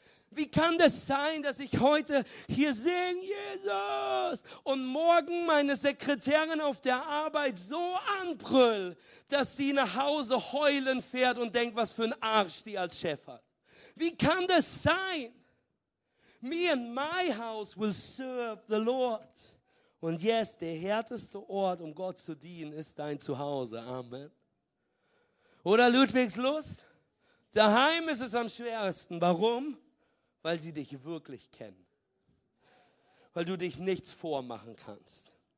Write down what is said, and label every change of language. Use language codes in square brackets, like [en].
[de] Wie kann das sein, dass ich heute hier singe, Jesus, und morgen meine Sekretärin auf der Arbeit so anbrüll, dass sie nach Hause heulen fährt und denkt, was für ein Arsch die als Chef hat? Wie kann das sein? [en] Me and my house will serve the Lord. [de] Und yes, der härteste Ort, um Gott zu dienen, ist dein Zuhause. Amen. Oder Ludwigslust? Daheim ist es am schwersten. Warum? Weil sie dich wirklich kennen. Weil du dich nichts vormachen kannst.